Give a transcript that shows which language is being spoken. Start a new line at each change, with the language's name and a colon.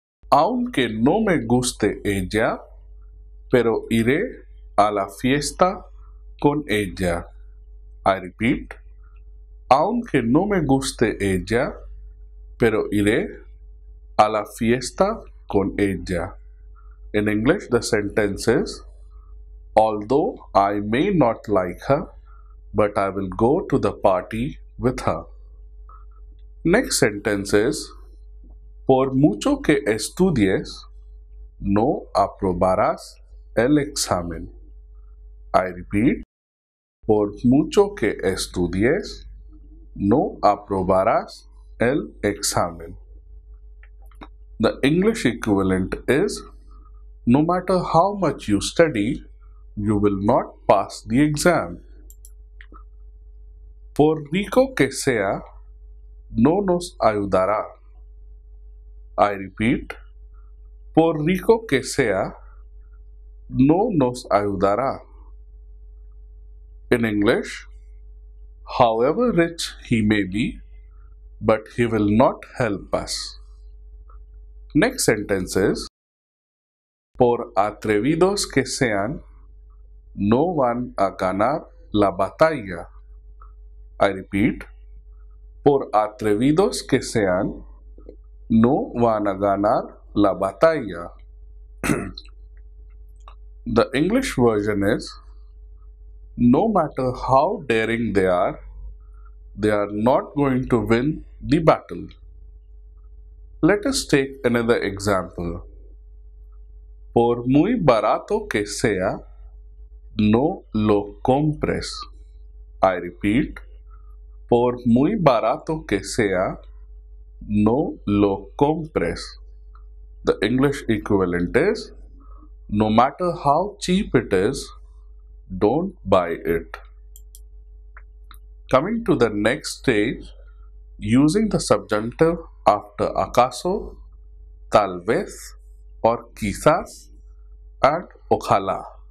Spanish: Aunque no me guste ella, pero iré a la fiesta con ella.
English: I repeat.
Spanish: Aunque no me guste ella, pero iré a la fiesta con ella.
English: In English, the sentence is, although I may not like her, but I will go to the party with her. Next sentence is,
Spanish: por mucho que estudies, no aprobarás el examen.
English: I repeat,
Spanish: por mucho que estudies, no aprobarás el examen.
English: The English equivalent is, no matter how much you study, you will not pass the exam.
Spanish: Por rico que sea, no nos ayudará.
English: I repeat,
Spanish: por rico que sea, no nos ayudará.
English: In English, however rich he may be, but he will not help us. Next sentence is,
Spanish: por atrevidos que sean, no van a ganar la batalla.
English: I repeat,
Spanish: por atrevidos que sean, no van a ganar la batalla.
English: The English version is, no matter how daring they are not going to win the battle. Let us take another example.
Spanish: Por muy barato que sea, no lo compres.
English: I repeat,
Spanish: por muy barato que sea, no lo compres.
English: The English equivalent is, no matter how cheap it is, don't buy it. Coming to the next stage, using the subjunctive after acaso, tal vez, or quizás, and ojalá.